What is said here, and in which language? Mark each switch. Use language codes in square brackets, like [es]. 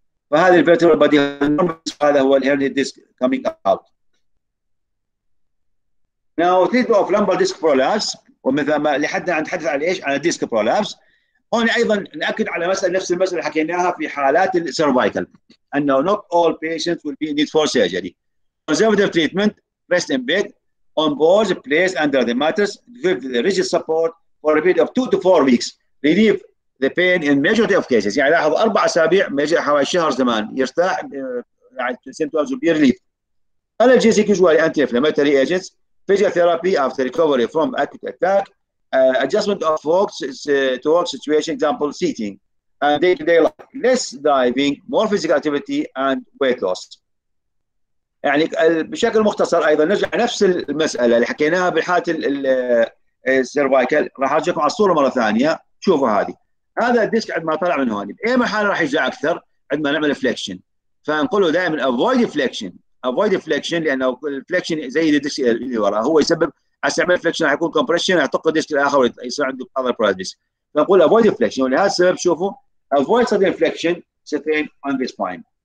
[ar] فهذه الفيرتبرال بادي هذا هو الهيرني ديسك [en] coming out. Now, treatment of lumbar disc prolapse, [ar] ومثل ما لحد الان نتحدث عن ايش؟ عن الديسك برولابس. هون ايضا ناكد على مساله نفس المساله اللي حكيناها في حالات السيرفايكال انه [en] not all patients will be need for surgery. Conservative treatment, rest in bed, on boards, placed under the mattress, with the rigid support for a period of 2 to 4 weeks. Relief the pain in majority of cases. [ar] يعني لاحظ أربع أسابيع مجرد حوالي شهر زمان يرتاح يعني [en] symptoms will be relieved. Analgesic usually anti-inflammatory agents, physiotherapy after recovery from acute attack, adjustment of work to work situation, example seating, and day-to-day life. Less diving, more physical activity and weight loss. [ar] يعني بشكل مختصر أيضا نرجع نفس المسألة اللي حكيناها بحالة السيرفايكل راح أرجعكم على الصورة مرة ثانية شوفوا هذه. هذا الديسك عندما طلع من هون باي محل راح يرجع اكثر عندما نعمل فليكشن فنقول له دائما افويد فليكشن افويد فليكشن لانه الفليكشن زي الديسك اللي وراه هو يسبب على سبب الفليكشن راح يكون كومبريشن يعتق الديسك الاخر يصير عنده اذر بروبلمز فنقول افويد فليكشن ولهذا السبب شوفوا افويد سدن فليكشن سترين اون ذا سباين